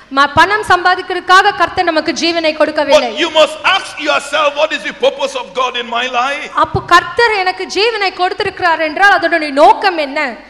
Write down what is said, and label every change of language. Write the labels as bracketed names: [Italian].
[Tamil] மா பணம் சம்பாதிக்கிறதுக்காக கர்த்தர் நமக்கு ஜீவனை கொடுக்கவில்லை. [English] But you must ask yourself, what is the purpose of God in my life? [Tamil] அப்ப கர்த்தர் எனக்கு ஜீவனை கொடுத்திருக்கிறார் என்றால் அதனுடைய நோக்கம் என்ன?